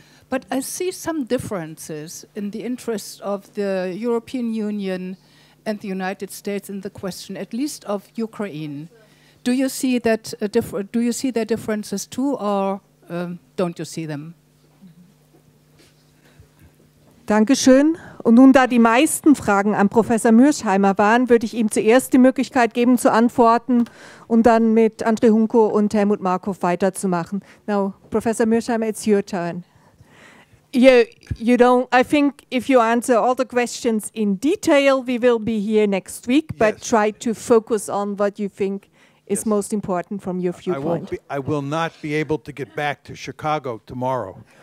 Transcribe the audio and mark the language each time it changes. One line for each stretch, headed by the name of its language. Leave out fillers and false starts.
English: But I see some differences in the interests of the European Union and the United States in the question, at least of Ukraine. Do you see that do you see their differences too, or don't you see them?
German: Dankeschön. Und nun, da die meisten Fragen an Professor Mörsheimer waren, würde ich ihm zuerst die Möglichkeit geben zu antworten und dann mit André Hunko und Helmut Markov weiterzumachen.
English: Now, Professor Mörsheimer, it's your turn. I think if you answer all the questions in detail, we will be here next week, but try to focus on what you think is most important from your viewpoint. I will not be able to get back to Chicago tomorrow.